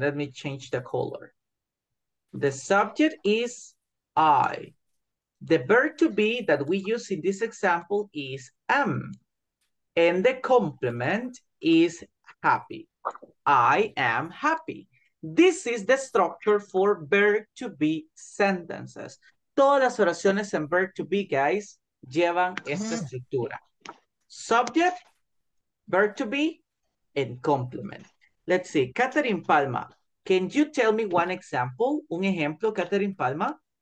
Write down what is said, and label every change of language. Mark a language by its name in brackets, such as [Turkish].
[English] Let me change the color. The subject is I. The verb to be that we use in this example is am. And the complement is happy. I am happy. This is the structure for verb to be sentences. [Spanish] Todas las oraciones en [English] verb to be, guys, [Spanish] llevan esta estructura. [English] Subject, verb to be, and complement. Let's see, Catherine Palma, can you tell me one example? [Spanish] Un ejemplo, Catherine Palma?